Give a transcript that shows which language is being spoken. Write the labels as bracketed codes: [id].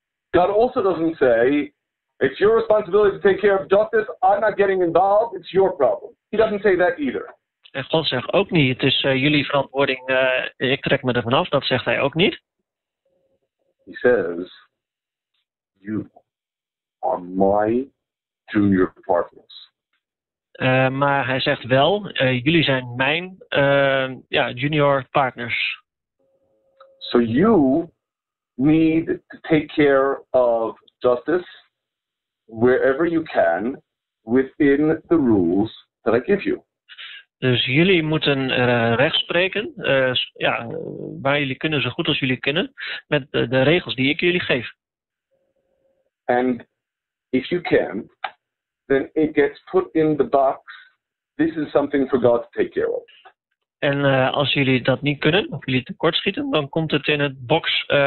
[en] God also doesn't say, it's your responsibility to take care of justice. I'm not getting involved. It's your problem. He doesn't say that either. [nl] En God zegt ook niet, het is jullie verantwoording. Ik trek me ervan af. Dat zegt hij ook niet. [en] He says, you are my junior partners. [nl] Maar hij zegt wel, jullie zijn mijn junior partners. [en] So you need to take care of justice wherever you can within the rules that I give you. [nl] Dus jullie moeten recht spreken, waar jullie kunnen, zo goed als jullie kunnen, met de regels die ik jullie geef. [en] And if you can, then it gets put in the box. This is something for God to take care of. [nl] En als jullie dat niet kunnen, of jullie tekortschieten, dan komt het in het box.